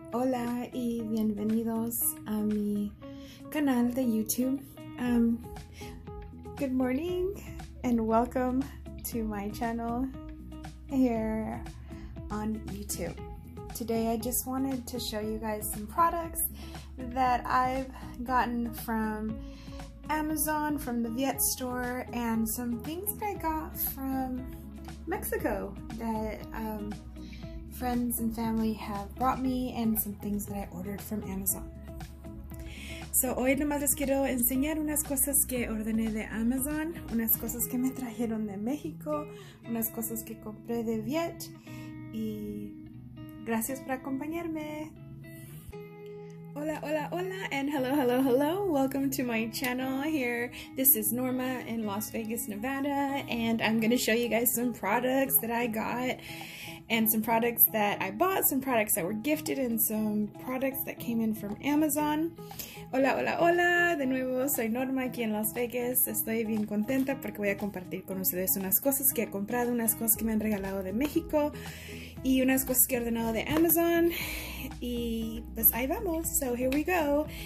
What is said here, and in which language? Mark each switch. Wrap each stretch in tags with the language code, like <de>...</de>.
<es>Hola y bienvenidos a mi canal de YouTube.</es> <en>Good morning and welcome to my channel here on YouTube. Today I just wanted to show you guys some products that I've gotten from Amazon, from the Viet store, and some things that I got from Mexico that friends and family have brought me, and some things that I ordered from Amazon.</en> <es>So hoy nomás les quiero enseñar unas cosas que ordené de Amazon, unas cosas que me trajeron de México, unas cosas que compré de Viet, y gracias por acompañarme.</es> <en>Hola, hola, hola, and hello, hello, hello. Welcome to my channel here. This is Norma in Las Vegas, Nevada, and I'm going to show you guys some products that I got, and some products that I bought, some products that were gifted, and some products that came in from Amazon.</en> <es>Hola, hola, hola, de nuevo, soy Norma aquí en Las Vegas. Estoy bien contenta porque voy a compartir con ustedes unas cosas que he comprado, unas cosas que me han regalado de México, y unas cosas que he ordenado de Amazon. Y pues ahí vamos, so here we go.</es>